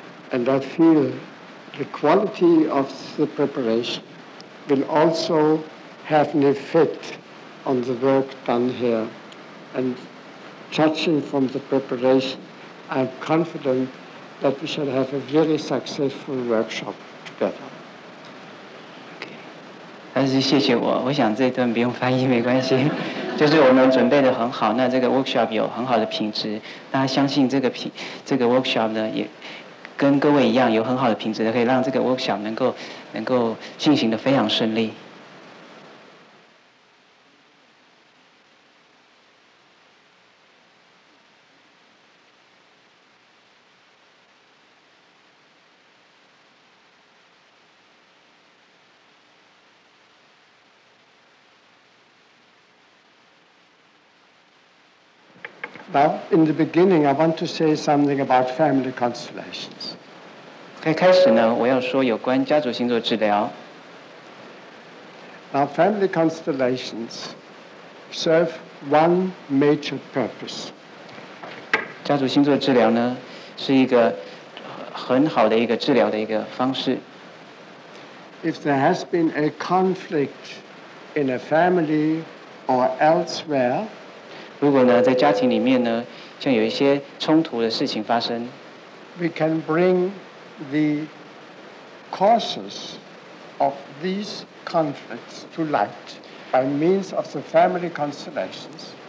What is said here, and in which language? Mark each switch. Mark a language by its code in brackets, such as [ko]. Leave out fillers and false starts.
[en] And I feel the quality of the preparation will also have an effect on the work done here. And judging from the preparation, I'm confident that we shall have a very successful workshop together. Okay. [zh] 但是谢谢我，我想这段不用翻译没关系。就是我们准备的很好，那这个 workshop 有很好的品质，大家相信这个 workshop 呢也。跟各位一样有很好的品质，可以让这个 workshop 能够进行的非常顺利。 [en] Now, in the beginning, I want to say something about family constellations. [zh] 在开始呢，我要说有关家族星座治疗。 [en] Now, family constellations serve one major purpose. [zh] 家族星座治疗呢，是一个很好的一个治疗的一个方式。 [en] If there has been a conflict in a family or elsewhere. [zh] 如果呢，在家庭里面呢，像有一些冲突的事情发生 [en] ，we can bring the causes of these conflicts to light by means of the family constellations。